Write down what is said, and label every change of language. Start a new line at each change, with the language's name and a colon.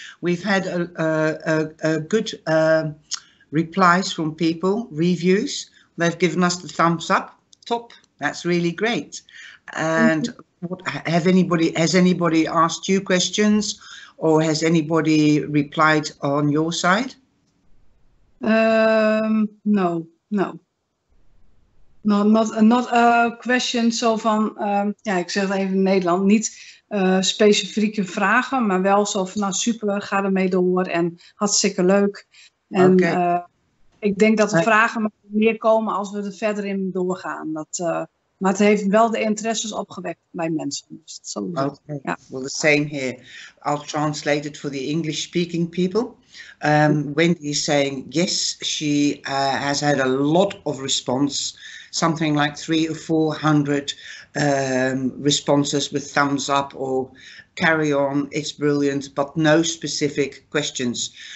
English: We've had a good replies from people, reviews. They've given us the thumbs up, top. That's really great. And what has anybody asked you questions, or has anybody replied on your side? No. Not
Dutch: een
English: question
Dutch: zo van, ja, ik zeg het even in Nederland, niet specifieke vragen, maar wel zo van, nou super, ga ermee door en hartstikke leuk. En Oké. ik denk dat de vragen meer komen als we er verder in doorgaan. Maar het heeft wel de interesses opgewekt bij mensen, dus dat sowieso.
English: Okay. Well, the same here. I'll translate it for the English-speaking people. Wendy is saying yes, she has had a lot of response, something like 300 or 400 responses with thumbs up or carry on, it's brilliant, but no specific questions.